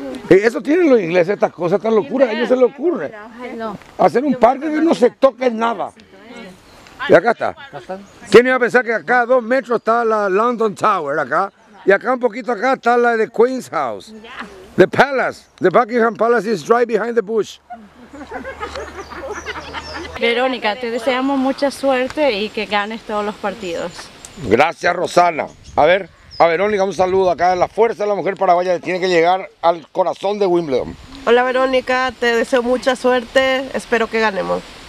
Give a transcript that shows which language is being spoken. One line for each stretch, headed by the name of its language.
Spanish: Y eso tienen los ingleses, estas cosas tan locuras, a ellos se les ocurre. Hacer un parque que no se toque nada. Y acá está. ¿Quién iba a pensar que acá a 2 metros está la London Tower, acá? Y acá un poquito acá está la de Queen's House.
English: The palace, the Buckingham Palace is right behind the bush.
Spanish: Verónica, te deseamos mucha suerte y que ganes todos los partidos. Gracias, Rosana. A ver, a Verónica, un saludo acá. La fuerza de la mujer paraguaya tiene que llegar al corazón de Wimbledon. Hola, Verónica, te deseo mucha suerte. Espero que ganemos.